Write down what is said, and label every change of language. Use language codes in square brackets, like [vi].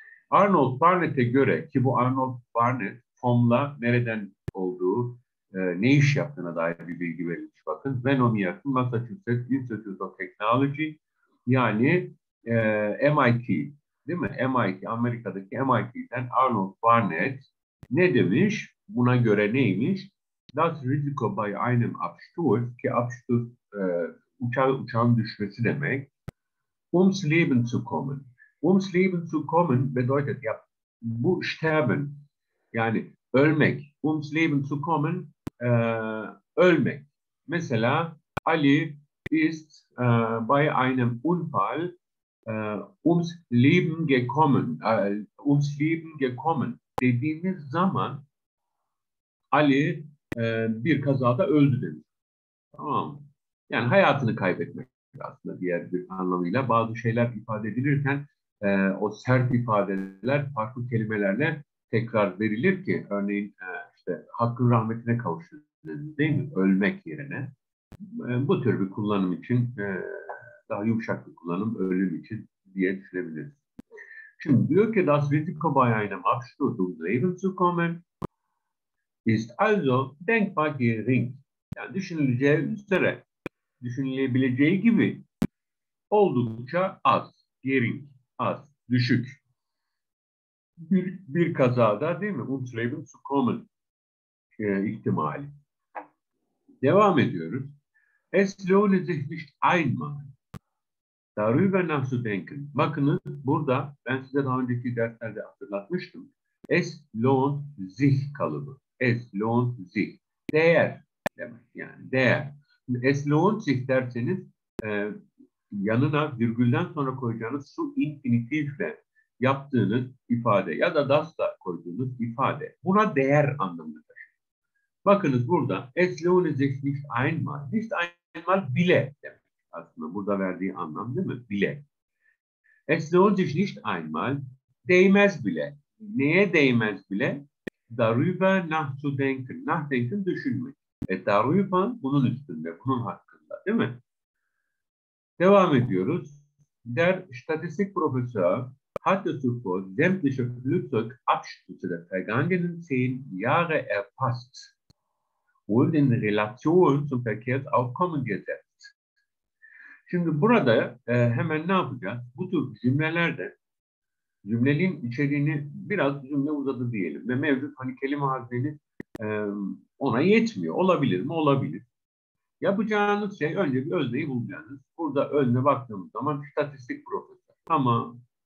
[tr] Arnold Barnett'e göre, ki bu Arnold Barnett FOM'la nereden olduğu, ne iş yaptığına dair bir bilgi verilmiş. Bakın, Venomiyat'ın Massachusetts Institute of Technology, yani MIT, değil mi? MIT, Amerika'daki MIT'den Arnold Barnett ne demiş? Buna göre neymiş? [de] Das Risiko bei einem Absturz, [tr] ki Absturz uçağın düşmesi demek. [de] Ums Leben zu kommen. Ums Leben zu kommen bedeutet [tr] ya, bu [de] sterben, [tr] yani ölmek. [de] Ums Leben zu kommen, [tr] ölmek. Mesela [de] Ali ist bei einem Unfall ums Leben gekommen. [tr] Ums Leben gekommen dediğiniz zaman Ali bir kazada öldü demek. Tamam. Yani hayatını kaybetmek aslında diğer bir anlamıyla. Bazı şeyler ifade edilirken o sert ifadeler farklı kelimelerle tekrar verilir ki, örneğin işte hakkın rahmetine kavuşun, değil mi? Ölmek yerine. Bu tür bir kullanım için, daha yumuşak bir kullanım, ölüm için diye düşünebiliriz. Şimdi diyor ki, [de] das Risiko bei einem Absturz ums Leben zu kommen ist also denkbar gering. [tr] Yani düşünüleceği üzere, düşünülebileceği gibi oldukça az, gering. Az, düşük. Bir kazada, değil mi? [de] Ums Leben zu kommen [tr] ihtimali. Devam ediyoruz. [de] Es lohne sich nicht einmal darüber nachzudenken. [tr] Bakınız, burada ben size daha önceki derslerde hatırlatmıştım. [de] Es lohnt sich [tr] kalıbı. [de] Es lohnt sich. [tr] Değer demek yani. Değer. [de] Es lohnt sich [tr] derseniz yanına virgülden sonra koyacağınız su infinitifle yaptığınız ifade ya da dasla koyduğunuz ifade buna değer anlamını taşıyor. Bakınız burada [de] es lohne sich nicht einmal, nicht einmal [tr] bile demek aslında burada verdiği anlam, değil mi? Bile. [de] Es lohne sich nicht einmal [tr] değmez bile. Neye değmez bile? [de] Darüber nah zu denken. Nah denken [tr] düşünmek. E darüber bunun üstünde, bunun hakkında, değil mi? Devam ediyoruz. [de] Der statistik profesör hat zu vor sämtliche Flugzeug Abstürze der vergangenen 10 Jahre erfasst und in Relation zum Verkehrsaufkommen gesetzt. [tr] Şimdi burada hemen ne yapacağız? Bu tür cümlelerde cümlenin içeriğini biraz cümle uzadı diyelim ve mevcut hani kelime hazneni ona yetmiyor. Olabilir mi? Olabilir. Yapacağınız şey önce bir özneyi bulacağınız. Burada özne baktığımız zaman statistik profesör. Tamam.